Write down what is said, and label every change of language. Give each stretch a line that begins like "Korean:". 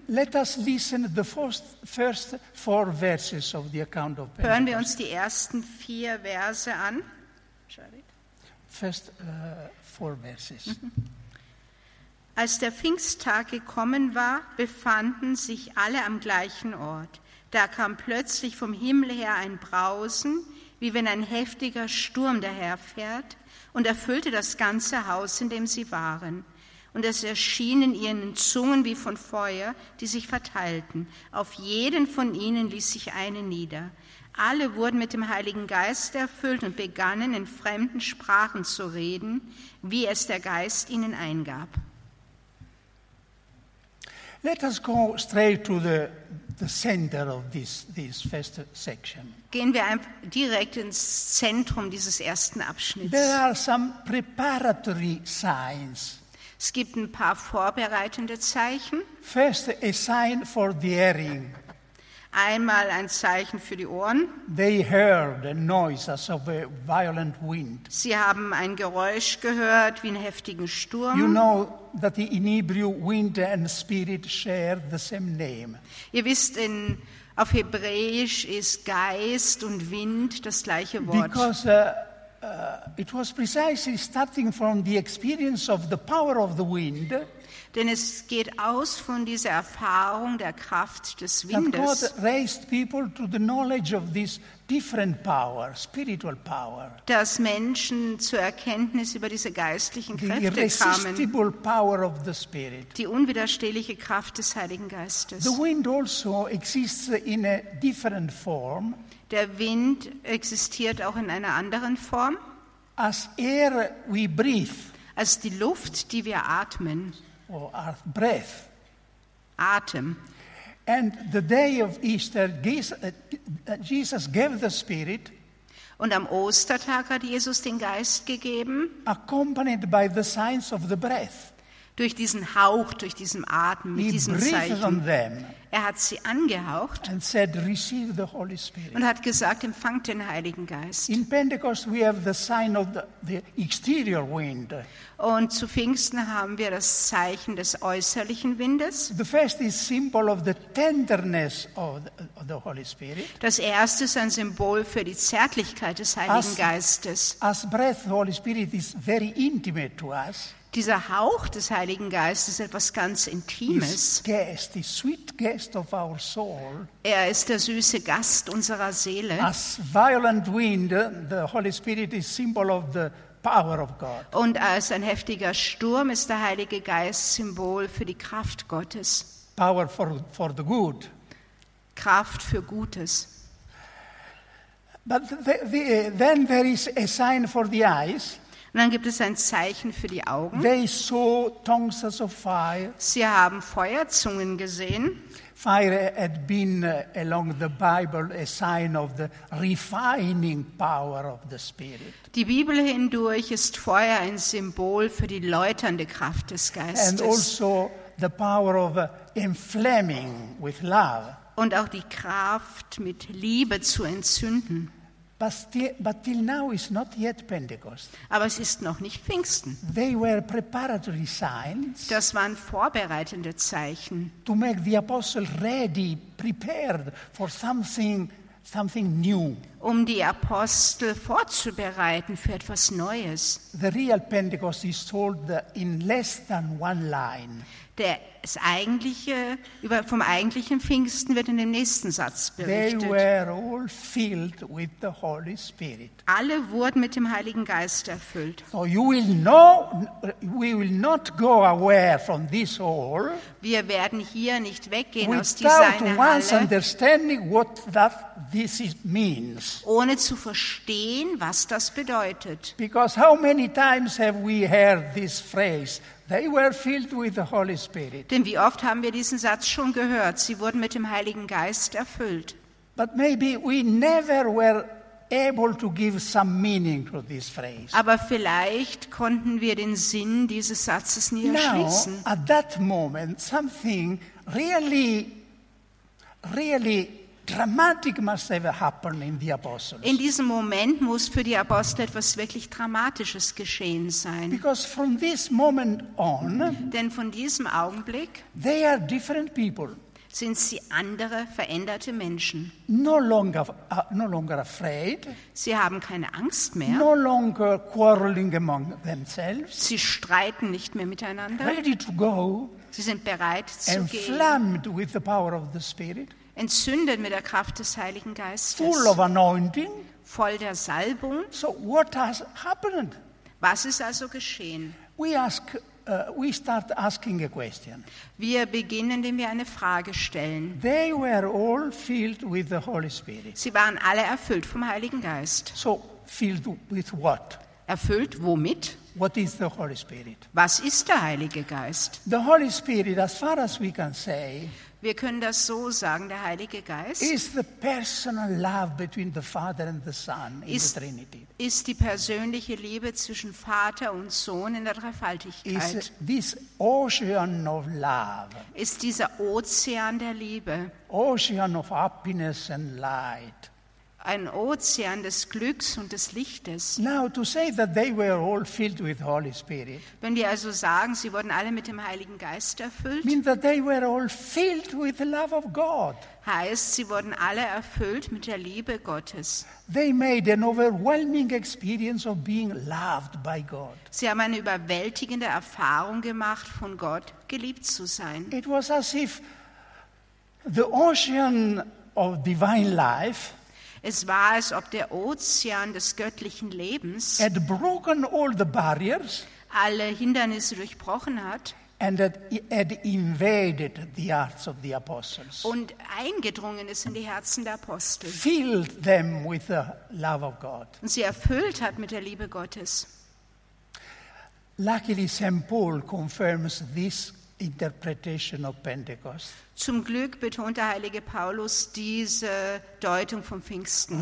English: Let us listen the first four verses of the account of Pentecost.
German: Hören wir uns die ersten vier Verse an.
English: First four verses.
German: Als der Pfingsttag gekommen war, befanden sich alle am gleichen Ort. Da kam plötzlich vom Himmel her ein Brausen, wie wenn ein heftiger Sturm daherfährt, und erfüllte das ganze Haus, in dem sie waren. Und es erschienen ihnen Zungen wie von Feuer, die sich verteilten. Auf jeden von ihnen ließ sich eine nieder. Alle wurden mit dem Heiligen Geist erfüllt und begannen, in fremden Sprachen zu reden, wie es der Geist ihnen eingab.
English: Let us go straight to the center of this first section.
German: Gehen wir direkt ins Zentrum dieses ersten Abschnitts.
English: There are some preparatory signs.
German: Es gibt ein paar vorbereitende Zeichen.
English: First, a sign for the hearing.
German: einmal ein Zeichen für die Ohren.
English: They heard a noise as of a violent wind.
German: Sie haben ein Geräusch gehört wie einen heftigen Sturm.
English: You know that in Hebrew wind and spirit share the same name.
German: Ihr wisst, auf Hebräisch ist Geist und Wind das gleiche Wort.
English: Because it was precisely starting from the experience of the power of the wind.
German: Denn es geht aus von dieser Erfahrung der Kraft des Windes.
English: That God raised people to the knowledge of this different power, spiritual power.
German: Dass Menschen zur Erkenntnis über diese geistlichen Kräfte kamen.
English: The irresistible power of the Spirit.
German: Die unwiderstehliche Kraft des Heiligen Geistes.
English: The wind also exists in a different form.
German: Der Wind existiert auch in einer anderen Form.
English: As air we breathe.
German: Als die Luft, die wir atmen.
English: Or breath.
German: Atem.
English: And the day of Easter, Jesus gave the Spirit.
German: Und am Ostertag hat Jesus den Geist gegeben.
English: Accompanied by the signs of the breath.
German: Durch diesen Hauch, durch diesen Atem, mit diesem Zeichen.
English: On them.
German: Er hat sie angehaucht.
English: And said, receive the Holy Spirit.
German: Und hat gesagt, empfangt den Heiligen Geist.
English: In Pentecost we have the sign of the exterior wind.
German: Und zu Pfingsten haben wir das Zeichen des äußerlichen Windes.
English: The first is symbol of the tenderness of the Holy Spirit.
German: Das erste ist ein Symbol für die Zärtlichkeit des Heiligen Geistes.
English: As breath, the Holy Spirit is very intimate to us.
German: Dieser Hauch des Heiligen Geistes ist etwas ganz Intimes.
English: Guest, the sweet guest of our soul.
German: Er ist der süße Gast unserer Seele.
English: As violent wind, the Holy Spirit is symbol of the power of God.
German: Und als ein heftiger Sturm ist der Heilige Geist Symbol für die Kraft Gottes.
English: Power for the good.
German: Kraft für Gutes.
English: But then there is a sign for the eyes.
German: Und dann gibt es ein Zeichen für die Augen.
English: They saw tongues as of fire.
German: Sie haben Feuerzungen gesehen.
English: Fire had been along the Bible a sign of the refining power of the Spirit.
German: Die Bibel hindurch ist Feuer ein Symbol für die läuternde Kraft des Geistes.
English: And also the power of inflaming with love.
German: Und auch die Kraft mit Liebe zu entzünden.
English: But till now is not yet Pentecost.
German: Aber es ist noch nicht Pfingsten.
English: They were preparatory signs.
German: Das waren vorbereitende Zeichen.
English: To make the apostles ready, prepared for something new.
German: Um die Apostel vorzubereiten für etwas Neues.
English: The real Pentecost is told in less than one line.
German: Das eigentliche vom eigentlichen Pfingsten wird in dem nächsten Satz berichtet.
English: They were all filled with the Holy Spirit.
German: Alle wurden mit dem Heiligen Geist erfüllt.
English: So you will know, we will not go away from this hall.
German: Wir werden hier nicht weggehen aus dieser Halle.
English: Without once understanding what that this is means.
German: Ohne zu verstehen, was das bedeutet.
English: Because how many times have we heard this phrase? They were filled with the Holy Spirit.
German: Denn wie oft haben wir diesen Satz schon gehört? Sie wurden mit dem Heiligen Geist erfüllt.
English: But maybe we never were able to give some meaning to this phrase.
German: Aber vielleicht konnten wir den Sinn dieses Satzes nie erschließen.
English: Now, at that moment, something really, really dramatic must have happened in the apostles.
German: In diesem Moment muss für die Apostel etwas wirklich Dramatisches geschehen sein.
English: Because from this moment on,
German: denn von diesem Augenblick,
English: they are different people.
German: Sind sie andere, veränderte Menschen.
English: No longer afraid.
German: Sie haben keine Angst mehr.
English: No longer quarreling among themselves.
German: Sie streiten nicht mehr miteinander.
English: Ready to go.
German: Sie sind bereit zu gehen.
English: Inflamed with the power of the Spirit.
German: Entzündet mit der Kraft des Heiligen Geistes.
English: Full of anointing.
German: Voll der Salbung.
English: So what has happened?
German: Was ist also geschehen?
English: We start asking a question.
German: Wir beginnen, indem wir eine Frage stellen.
English: They were all filled with the Holy Spirit.
German: Sie waren alle erfüllt vom Heiligen Geist.
English: So filled with what?
German: Erfüllt womit?
English: What is the Holy Spirit?
German: Was ist der Heilige Geist?
English: The Holy Spirit, as far as we can say,
German: Wir können das so sagen, der Heilige Geist
English: ist the personal love between the Father and the Son in the Trinity.
German: Ist die persönliche Liebe zwischen Vater und Sohn in der Dreifaltigkeit.
English: Is this ocean of love.
German: Ist dieser Ozean der Liebe.
English: Ocean of happiness and light.
German: Ein Ozean des Glücks und des Lichtes.
English: Now to say that they were all filled with Holy Spirit.
German: Wenn wir also sagen, sie wurden alle mit dem Heiligen Geist erfüllt.
English: Means that they were all filled with the love of God.
German: Heißt, sie wurden alle erfüllt mit der Liebe Gottes.
English: They made an overwhelming experience of being loved by God.
German: Sie haben eine überwältigende Erfahrung gemacht, von Gott geliebt zu sein.
English: It was as if the ocean of divine life.
German: Es war, als ob der Ozean des göttlichen Lebens
English: had broken all the barriers,
German: alle Hindernisse durchbrochen hat
English: and had invaded the hearts of the apostles,
German: und eingedrungen ist in die Herzen der Apostel,
English: filled them with the love of God.
German: Und sie erfüllt hat mit der Liebe Gottes.
English: Luckily, St. Paul confirms this interpretation of Pentecost.
German: Zum Glück betont der heilige Paulus diese Deutung vom Pfingsten.